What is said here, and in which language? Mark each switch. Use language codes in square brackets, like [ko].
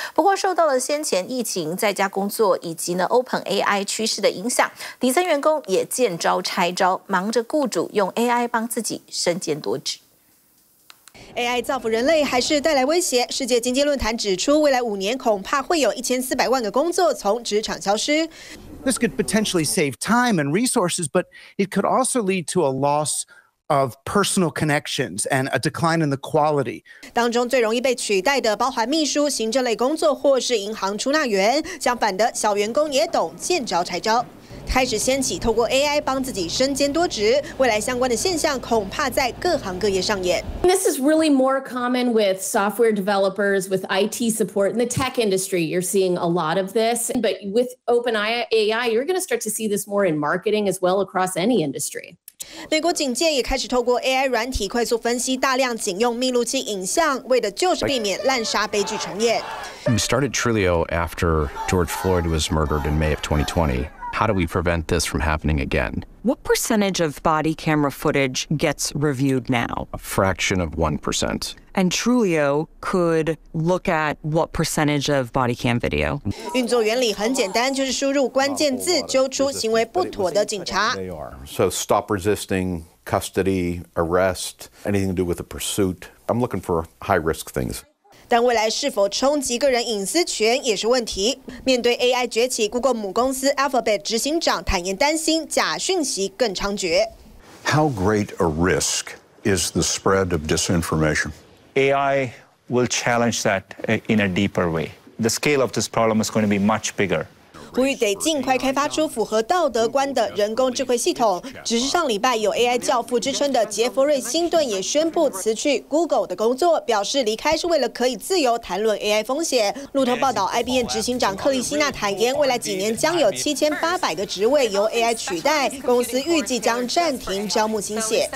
[zh] 不过受到了先前疫情在家工作以及呢 OpenAI 趋势的影响，底层员工也见招拆招，忙着雇主用 AI 帮自己身兼多职。 AI 造福人类还是带来威胁？世界经济论坛指出，未来5年恐怕会有1400万个工作从职场消失。 [en] This could potentially save time and resources, but it could also lead to a loss of personal connections and a decline in the quality. [zh] 当中最容易被取代的包含秘书、行政类工作或是银行出纳员。相反的，小员工也懂见招拆招。开始掀起透过 AI 帮自己身兼多职，未来相关的现象恐怕在各行各业上演。 [en] This is really more common with software developers, with IT support in the tech industry. You're seeing a lot of this, but with OpenAI, you're going to start to see this more in marketing as well across any industry. [zh] 美国警界也开始透过 AI 软体快速分析大量警用密录器影像，为的就是避免滥杀悲剧重演。 [en] We started Trilio after George Floyd was murdered in May of 2020. How do we prevent this from happening again? What percentage of body camera footage gets reviewed now? A fraction of 1%. And Trulio could look at what percentage of body cam video. [zh] 运作原理很简单，就是输入关键字，揪出行为不妥的警察。 [en] So stop resisting, custody, arrest, anything to do with a pursuit. I'm looking for high risk things. [zh] 但未来是否冲击个人隐私权也是问题。面对 AI 崛起， Google 母公司 Alphabet 执行长坦言担心假讯息更猖獗。 [en] How great a risk is the spread of disinformation? AI will challenge that in a deeper way. The scale of this problem is going to be much bigger. [zh] 呼吁得尽快开发出符合道德观的人工智慧系统。只是上礼拜有 AI 教父之称的杰弗瑞·辛顿也宣布辞去 Google 的工作，表示离开是为了可以自由谈论 AI 风险。路透报道 ，IBM 执行长克里希纳坦言，未来几年将有7800个职位由 AI 取代，公司预计将暂停招募新血。